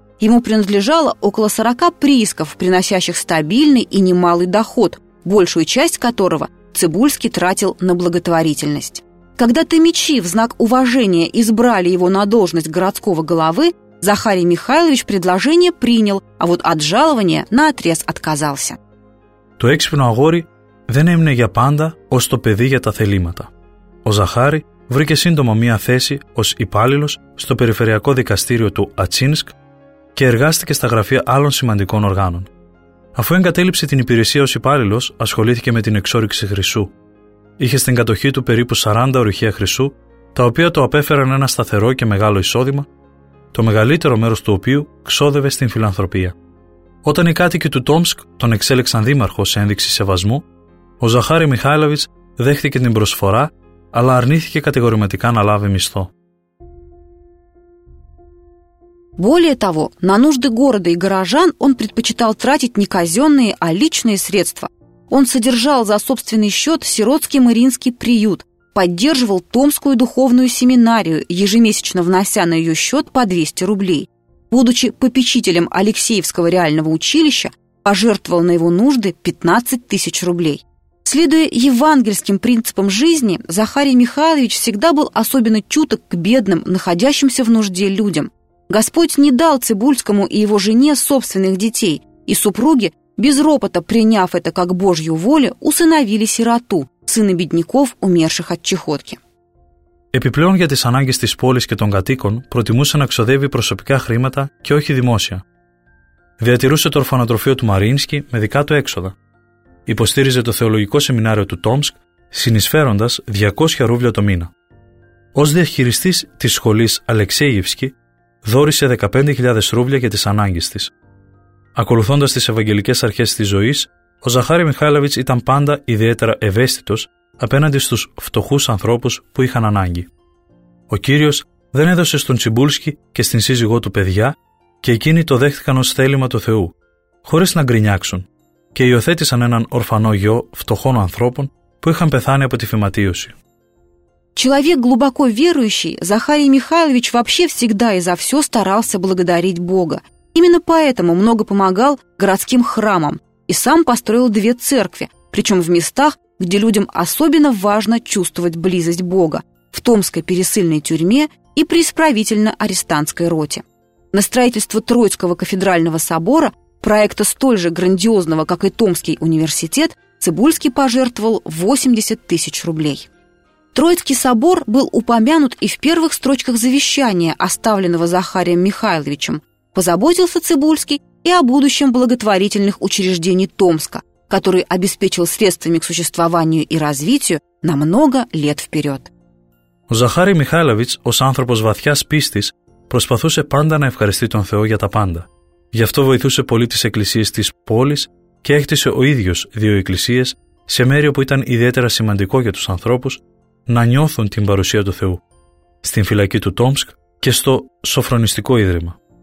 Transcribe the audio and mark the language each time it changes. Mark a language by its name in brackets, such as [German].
[Russian] Ему принадлежало около 40 приисков, приносящих стабильный и немалый доход, большую часть которого Цибульский тратил на благотворительность. Когда томичи в знак уважения избрали его на должность городского головы, Захарий Михайлович предложение принял, а вот от жалования наотрез отказался. [Greek] Το έξυπνο αγόρι δεν έμεινε για πάντα ως το παιδί για τα θελήματα. Ο Ζαχάρη βρήκε σύντομα μία θέση ως υπάλληλος στο περιφερειακό δικαστήριο του Ατσίνσκ και εργάστηκε στα γραφεία άλλων σημαντικών οργάνων. Αφού εγκατέλειψε την υπηρεσία ως υπάλληλος, ασχολήθηκε με την εξόρυξη χρυσού. Είχε στην κατοχή του περίπου 40 ορυχεία χρυσού, τα οποία το απέφεραν ένα σταθερό και μεγάλο εισόδημα, το μεγαλύτερο μέρος του οποίου ξόδευε στην φιλανθρωπία. Όταν οι κάτοικοι του Τόμσκ τον εξέλεξαν δήμαρχο σε ένδειξη σεβασμού, ο Ζαχάρη Μιχάηλοβιτς δέχτηκε την προσφορά, αλλά αρνήθηκε κατηγορηματικά να λάβει μισθό. [Russian] Более того, на нужды города и горожан он предпочитал тратить не казенные, а личные средства. Он содержал за собственный счет сиротский мариинский приют, поддерживал Томскую духовную семинарию, ежемесячно внося на ее счет по 200 рублей. Будучи попечителем Алексеевского реального училища, пожертвовал на его нужды 15 тысяч рублей. Следуя евангельским принципам жизни, Захарий Михайлович всегда был особенно чуток к бедным, находящимся в нужде людям. Господь не дал Цибульскому и его жене собственных детей, и супруги, без ропота приняв это как Божью волю, усыновили сироту, сына бедняков, умерших от чахотки. [Greek] Επιπλέον για τις ανάγκες της πόλης και των κατοίκων, προτιμούσε να ξοδεύει προσωπικά χρήματα και όχι δημόσια. Διατηρούσε το ορφανοτροφείο του Μαρίνσκι με δικά του έξοδα. Υποστήριζε το θεολογικό σεμινάριο του Τόμσκ, συνεισφέροντας 200 ρούβλια το μήνα. Ως διαχειριστής της σχολής Αλεξέγευσκη, δόρισε 15.000 ρούβλια για τις ανάγκες της. Ακολουθώντας τις ευαγγελικές αρχές της ζωής, ο Ζαχάρη Μιχάηλοβιτς ήταν πάντα ιδιαίτερα ευαίσθητος απέναντι στους φτωχούς ανθρώπους που είχαν ανάγκη. Ο Κύριος δεν έδωσε στον Τσιμπούλσκι και στην σύζυγό του παιδιά και εκείνοι το δέχτηκαν ως θέλημα του Θεού, χωρίς να γκρινιάξουν, και υιοθέτησαν έναν ορφανό γιο φτωχών ανθρώπων που είχαν πεθάνει από τη φυματίωση. [Russian] Человек глубоко верующий, Захарий Михайлович вообще всегда и за все старался благодарить Бога. Именно поэтому много помогал городским храмам и сам построил две церкви, причем в местах, где людям особенно важно чувствовать близость Бога, в Томской пересыльной тюрьме и при исправительно-арестантской роте. На строительство Троицкого кафедрального собора, проекта столь же грандиозного, как и Томский университет, Цибульский пожертвовал 80 тысяч рублей. Троицкий собор был упомянут и в первых строчках завещания, оставленного Захарием Михайловичем. Позаботился Цибульский и о будущем благотворительных учреждений Томска, который обеспечил средствами к существованию и развитию на много лет вперед. [Greek] Ζαχάρη Μιχάλαβιτς, ως άνθρωπος βαθιάς πίστης, προσπαθούσε πάντα να ευχαριστεί τον Θεό για τα πάντα. Γι' αυτό βοηθούσε πολύ τις εκκλησίες της πόλης και έκτισε ο ίδιος δύο εκκλησίες σε μέρη όπου ήταν ιδιαίτερα σημαντικό για τους ανθρώπους να νιώθουν την παρουσία του Θεού, στην φυλακή του Τόμσκ και στο Σοφρονιστικό Ίδρυμα.